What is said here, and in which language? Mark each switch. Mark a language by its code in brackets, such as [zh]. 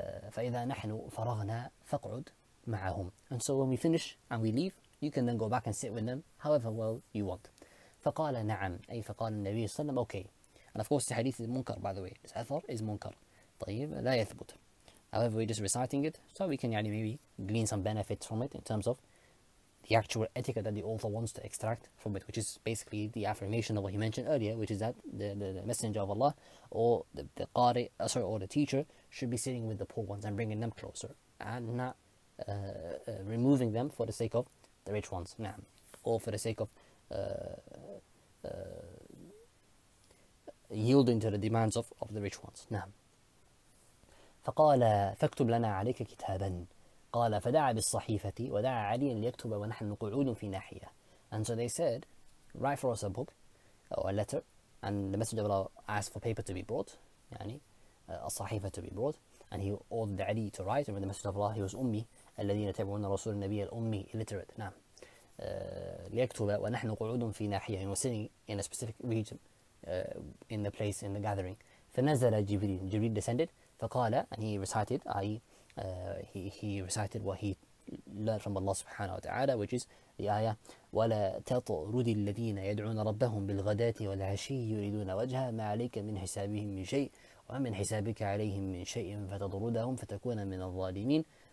[ar] فإذا نحن فرغنا فقعد معهم. [en] And so when we finish and we leave, you can then go back and sit with them however well you want. [ar] فقال نعم أي فقال النبي صلى الله عليه وسلم okay. [en] And of course the hadith is munkar, by the way. This athar is munkar. [ar] طيب لا يثبت. [en] However, we're just reciting it so we can maybe glean some benefits from it in terms of the actual etiquette that the author wants to extract from it, which is basically the affirmation of what he mentioned earlier, which is that the messenger of Allah or the qari, sorry, or the teacher should be sitting with the poor ones and bringing them closer and not removing them for the sake of the rich ones. [ar] نعم. [en] Or for the sake of yielding to the demands of the rich ones. [ar] نعم. فقال فاكتب لنا عليك كتابا قال فدعا بالصحيفة ودعا عليا ليكتب ونحن قعود في ناحية. [en] And so they said, write for us a book or a letter. And the messenger of Allah asked for paper to be brought, يعني a صحيفة to be brought. And he ordered Ali to write. Remember the messenger of Allah, he was [ar] أمي الذين تابعون رسول النبي الأمي [en] illiterate. نعم. [ar] ليكتب ونحن قعود في ناحية. [en] And we're sitting in a specific region, in the place, in the gathering. [ar] فنزل جبريل. [en] Jibreel descended. [ar] فقال, [en] and he recited what he learned from Allah subhanahu wa ta'ala, which is the ayah, [ar] وَلَا تَطْرُدِ الَّذِينَ يَدْعُونَ رَبَّهُمْ بِالْغَدَاتِ وَالْعَشِيِّ يُرِيدُونَ وَجْهَا مَا عَلَيْكَ مِنْ حِسَابِهِمْ مِنْ شَيْءٍ وَمِنْ حِسَابِكَ عَلَيْهِمْ مِنْ شَيْءٍ فَتَطْرُدَهُمْ فَتَكُونَ مِنَ الظَّالِمِينَ.